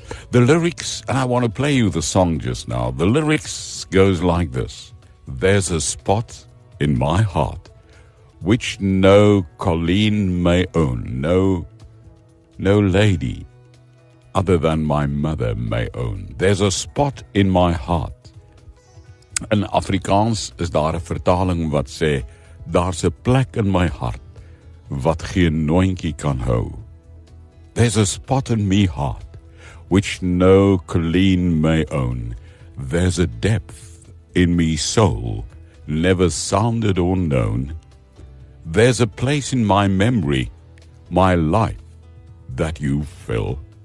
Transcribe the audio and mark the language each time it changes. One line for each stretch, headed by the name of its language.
English: The lyrics, and I want to play you the song just now. The lyrics goes like this. There's a spot in my heart which no Colleen may own. No lady other than my mother may own. There's a spot in my heart.
Afrikaans: In Afrikaans is daar 'n vertaling wat sê, daar's 'n plek in my hart wat geen noontjie kan hou.
English: There's a spot in my heart which no Colleen may own. There's a depth in me soul, never sounded or known. There's a place in my memory, my life, that you fill.